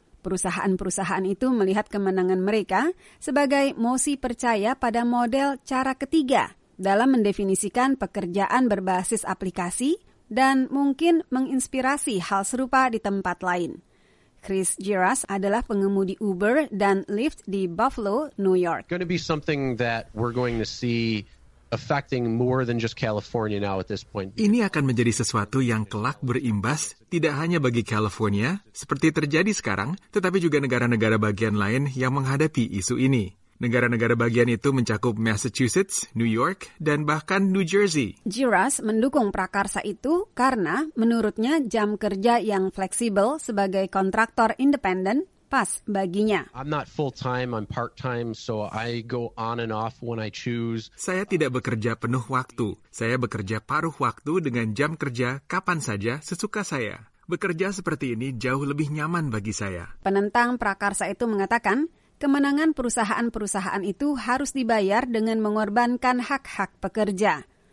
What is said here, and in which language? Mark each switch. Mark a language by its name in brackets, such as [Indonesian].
[Indonesian] Perusahaan-perusahaan itu melihat kemenangan mereka sebagai mosi percaya pada model cara ketiga dalam mendefinisikan pekerjaan berbasis aplikasi dan mungkin menginspirasi hal serupa di tempat lain. Chris Giras adalah pengemudi Uber dan Lyft di Buffalo, New York. [English] Going to be something that we're going to see affecting more than just California now at this point. [Indonesian] Ini akan menjadi sesuatu yang kelak berimbas tidak hanya bagi California seperti terjadi sekarang, tetapi juga negara-negara bagian lain yang menghadapi isu ini. Negara-negara bagian itu mencakup Massachusetts, New York, dan bahkan New Jersey. Giras mendukung prakarsa itu karena menurutnya jam kerja yang fleksibel sebagai kontraktor independen pas baginya. [English] I'm not full-time, I'm part-time, so I go on and off when I choose. [Indonesian] Saya tidak bekerja penuh waktu. Saya bekerja paruh waktu dengan jam kerja kapan saja sesuka saya. Bekerja seperti ini jauh lebih nyaman bagi saya. Penentang prakarsa itu mengatakan, kemenangan perusahaan-perusahaan itu harus dibayar dengan mengorbankan hak-hak pekerja.